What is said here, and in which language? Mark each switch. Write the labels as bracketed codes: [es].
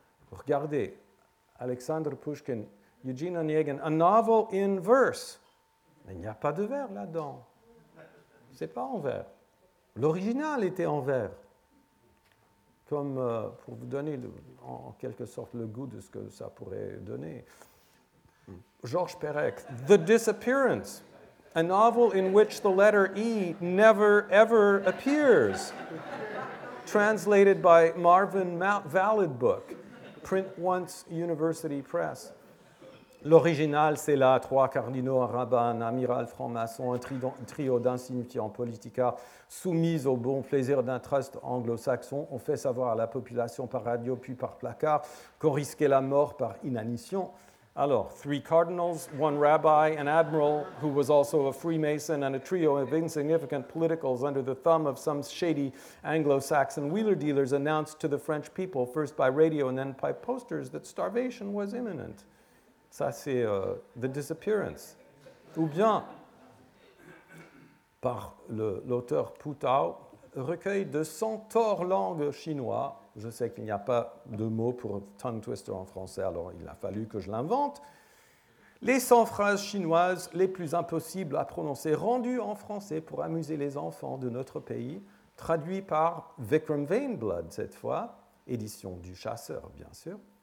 [en] Regardez, Alexandre Pushkin, Eugene Onegin, a novel in verse. [fr] Mais il n'y a pas de vers là-dedans. C'est pas en vers. L'original était en vers. Comme pour vous donner en quelque sorte le goût de ce que ça pourrait donner. [en] Georges Perec, The Disappearance, a novel in which the letter E never ever appears, translated by Marvin Valid Book, print once, university press. [fr] L'original, c'est là, trois cardinaux, un rabbin, un amiral franc-maçon, un trio d'insignifiants politica soumis au bon plaisir d'un trust anglo-saxon, ont fait savoir à la population par radio puis par placard qu'on risquait la mort par inanition. [en] Alors, three cardinals, one rabbi, an admiral who was also a Freemason, and a trio of insignificant politicals under the thumb of some shady Anglo-Saxon wheeler dealers announced to the French people, first by radio and then by posters, that starvation was imminent. [fr] Ça, c'est The Disappearance. Ou bien, par l'auteur Pu Tao, recueil de 100 torts langues chinois. Je sais qu'il n'y a pas de mot pour tongue twister en français, alors il a fallu que je l'invente. Les 100 phrases chinoises les plus impossibles à prononcer, rendues en français pour amuser les enfants de notre pays, traduit par Vikram Vainblood, cette fois, édition du Chasseur, bien sûr.